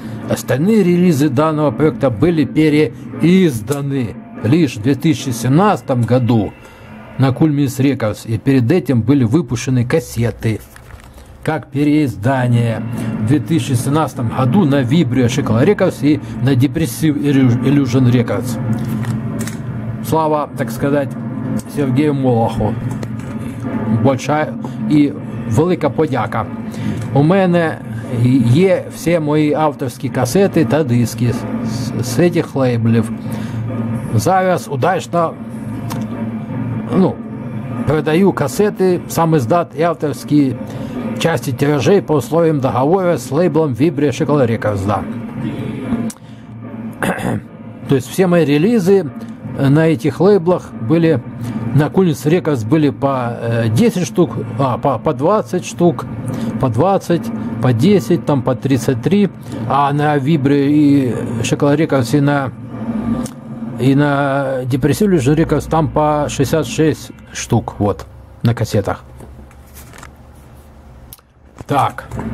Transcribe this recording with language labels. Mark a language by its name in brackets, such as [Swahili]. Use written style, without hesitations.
[Russian] Остальные релизы данного проекта были переизданы лишь в 2017 году на Кульминс Рекордс, и перед этим были выпущены кассеты как переиздание в 2017 году на Vibrio Shekla Records и на Depressive Illusion Records. Слава, так сказать, Сергею Молоху. Большая и [Ukrainian] велика подяка. У мене є всі мої авторські касети та диски з цих лейблів. Зараз [Russian] удачно, ну, продаю [Ukrainian] касети, [Russian] сам издат [Ukrainian] і авторські [Russian] части тиражей по условиям договора с лейблом Vibrio Shekla Records, да. То есть все мои релизы на этих лейблах были, на Кульминс Рекордс были по 10 штук, а, по 20 штук, по 20, по 10, там по 33, а на Vibrio и Shekla Records и на Depressive Illusion Records там по 66 штук, вот, на кассетах. Так,